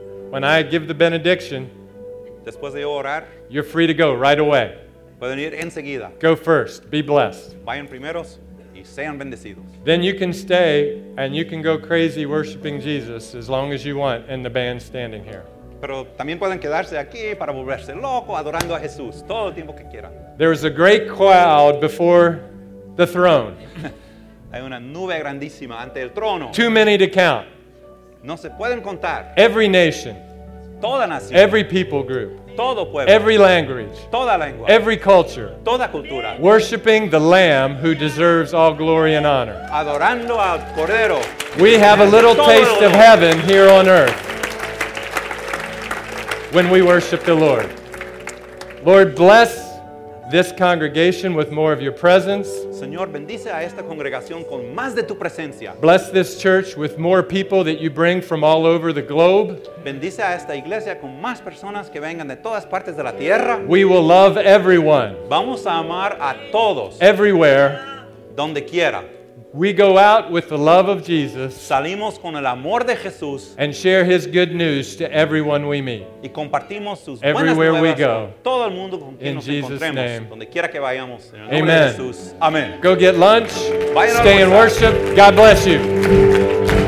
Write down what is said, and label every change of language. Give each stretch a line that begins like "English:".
English: When I give the benediction,
Spanish: después de orar,
English: you're free to go right away.
Spanish: Pueden ir enseguida.
English: Go first. Be blessed.
Spanish: Vayan primeros. Sean bendecidos.
English: Then you can stay and you can go crazy worshiping Jesus as long as you want in the band standing here.
Spanish: Pero también pueden quedarse aquí para volverse loco adorando a Jesús todo el tiempo que quieran.
English: There was a great cloud before the throne.
Spanish: Hay una nube grandísima ante el trono.
English: Too many to count.
Spanish: No se pueden contar.
English: Every nation.
Spanish: Toda nación.
English: Every people group.
Spanish: Todo pueblo,
English: every language,
Spanish: toda lengua,
English: every culture,
Spanish: toda cultura,
English: worshiping the Lamb who deserves all glory and honor.
Spanish: Adorando al Cordero.
English: We have a little taste of heaven here on earth when we worship the Lord. Lord, bless this congregation with more of your presence.
Spanish: Señor, bendice a esta congregación con más de tu presencia.
English: Bless this church with more people that you bring from all over the globe.
Spanish: Bendice a esta iglesia con más personas que vengan de todas partes de la tierra.
English: We will love everyone.
Spanish: Vamos a amar a todos.
English: Everywhere.
Spanish: Donde quiera.
English: We go out with the love of Jesus.
Spanish: Salimos con el amor de Jesús.
English: And share his good news to everyone we meet.
Spanish: Y compartimos sus buenas nuevas.
English: Everywhere we go.
Spanish: Todo el mundo con quien nos encontremos,
English: name.
Spanish: Donde quiera que vayamos. En el Nombre de Jesús. Amen.
English: Go get lunch.
Spanish: Vayan
English: stay in worship. God bless you.